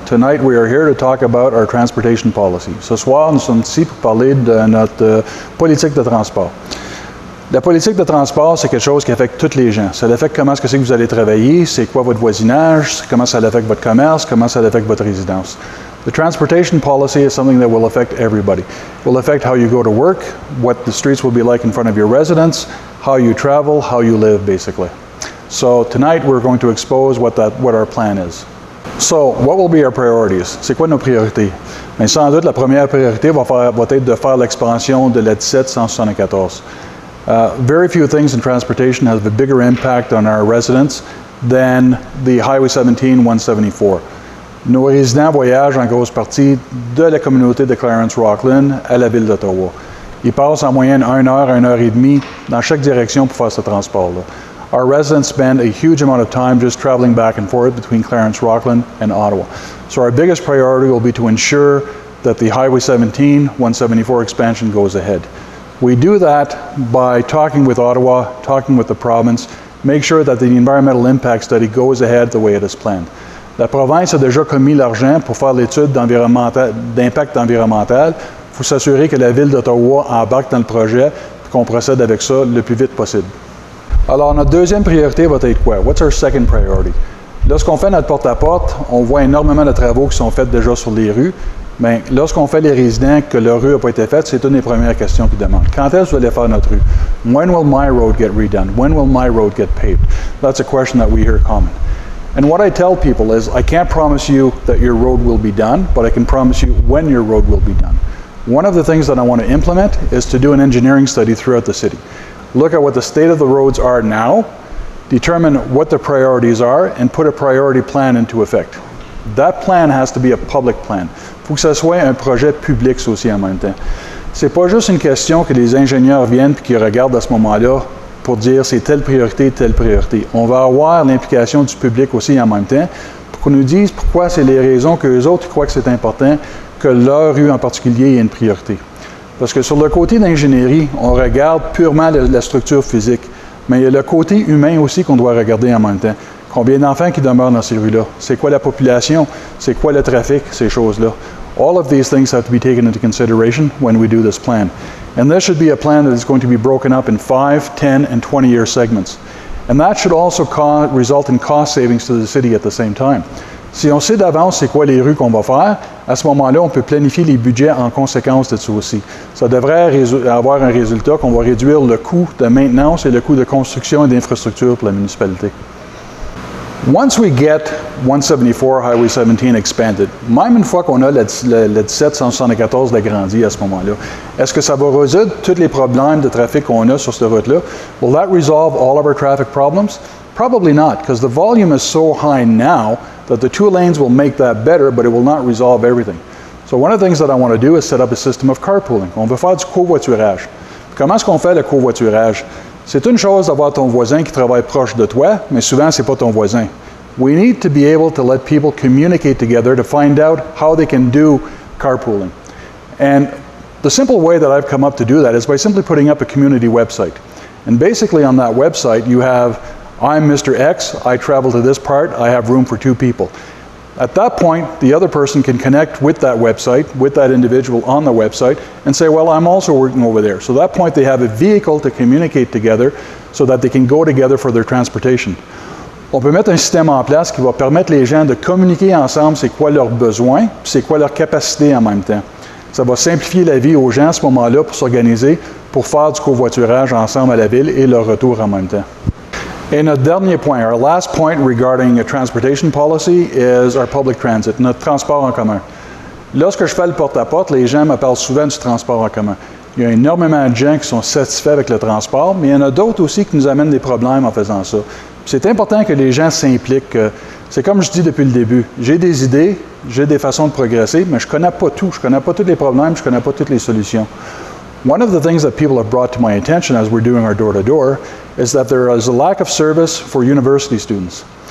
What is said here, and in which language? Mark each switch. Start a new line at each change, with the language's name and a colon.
English: Tonight we are here to talk about our transportation policy.
French: Ce soir, nous sommes ici pour parler de notre politique de transport. La politique de transport, c'est quelque chose qui affecte toutes les gens. Ça affecte comment est-ce que vous allez travailler, c'est quoi votre voisinage, comment ça affecte votre commerce, comment ça affecte votre résidence.
English: The transportation policy is something that will affect everybody. It will affect how you go to work, what the streets will be like in front of your residence, how you travel, how you live, basically. So tonight we're going to expose what our plan is. So what will be our priorities?
French: C'est quoi nos priorités? Mais sans doute la première priorité va être de faire l'expansion de la 1774.
English: Very few things in transportation have a bigger impact on our residents than the Highway 17-174.
French: Nos résidents voyagent en grosse partie de la communauté de Clarence Rockland à la ville d'Ottawa. Ils passent en moyenne une heure et demie dans chaque direction pour faire ce transport-là.
English: Our residents spend a huge amount of time just traveling back and forth between Clarence Rockland and Ottawa. So our biggest priority will be to ensure that the Highway 17-174 expansion goes ahead. We do that by talking with Ottawa, talking with the province, make sure that the environmental impact study goes ahead the way it is planned.
French: La province a déjà commis l'argent pour faire l'étude d'impact environnemental pour s'assurer que la ville d'Ottawa embarque dans le projet et qu'on procède avec ça le plus vite possible. Alors, notre deuxième priorité va être quoi?
English: What's our second priority?
French: Lorsqu'on fait notre porte-à-porte, on voit énormément de travaux qui sont faits déjà sur les rues. Mais lorsqu'on fait les résidents que leur rue n'a pas été faite, c'est une des premières questions qu'ils demandent. Quand est-ce que vous allez faire notre rue?
English: When will my road get redone? When will my road get paved? That's a question that we hear common. And what I tell people is, I can't promise you that your road will be done, but I can promise you when your road will be done. One of the things that I want to implement is to do an engineering study throughout the city. Look at what the state of the roads are now, determine what the priorities are, and put a priority plan into effect. That plan has to be a public plan.
French: Faut que ce soit un projet public aussi en même temps. C'est pas juste une question que les ingénieurs viennent et qu'ils regardent à ce moment-là pour dire c'est telle priorité. On va avoir l'implication du public aussi en même temps pour qu'on nous dise pourquoi c'est les raisons qu'eux autres croient que c'est important que leur rue en particulier ait une priorité. Parce que sur le côté d'ingénierie, on regarde purement la structure physique, mais il y a le côté humain aussi qu'on doit regarder en même temps. Combien d'enfants qui demeurent dans ces rues-là? C'est quoi la population? C'est quoi le trafic? Ces choses-là.
English: All of these things have to be taken into consideration when we do this plan. And this should be a plan that is going to be broken up in 5, 10, and 20-year segments. And that should also result in cost savings to the city at the same time.
French: Si on sait d'avance c'est quoi les rues qu'on va faire, à ce moment-là, on peut planifier les budgets en conséquence de ça aussi. Ça devrait avoir un résultat qu'on va réduire le coût de maintenance et le coût de construction et d'infrastructure pour la municipalité.
English: Once we get 174 Highway 17 expanded,
French: même une fois qu'on a la 1774 agrandie à ce moment-là, est-ce que ça va résoudre tous les problèmes de trafic qu'on a sur cette route-là?
English: Will that resolve all of our traffic problems? Probably not, because the volume is so high now that the two lanes will make that better, but it will not resolve everything. So one of the things that I want to do is set up a system of carpooling.
French: On veut faire du covoiturage. Comment est-ce qu'on fait le covoiturage? C'est une chose d'avoir ton voisin qui travaille proche de toi, mais souvent c'est pas ton voisin.
English: We need to be able to let people communicate together to find out how they can do carpooling. And the simple way that I've come up to do that is by simply putting up a community website. And basically on that website you have, I'm Mr. X, I travel to this part, I have room for two people. At that point, the other person can connect with that website, with that individual on the website, and say, well, I'm also working over there. So at that point, they have a vehicle to communicate together so that they can go together for their transportation.
French: On peut mettre un système en place qui va permettre les gens de communiquer ensemble c'est quoi leurs besoins, c'est quoi leur capacité en même temps. Ça va simplifier la vie aux gens à ce moment-là pour s'organiser, pour faire du covoiturage ensemble à la ville et leur retour en même temps.
English: And a
French: dernier point,
English: our last point regarding a transportation policy is our public transit,
French: notre transport en commun. Lorsque je fais le porte-à-porte, les gens m'appellent souvent du transport en commun. Il y a énormément de gens qui sont satisfaits avec le transport, mais il y en a d'autres aussi qui nous amènent des problèmes en faisant ça. C'est important que les gens s'impliquent. C'est comme je dis depuis le début, j'ai des idées, j'ai des façons de progresser, mais je connais pas tout. Je connais pas tous les problèmes, je connais pas toutes les solutions.
English: One of the things that people have brought to my attention as we're doing our door-to-door is that there is a lack of service for university students.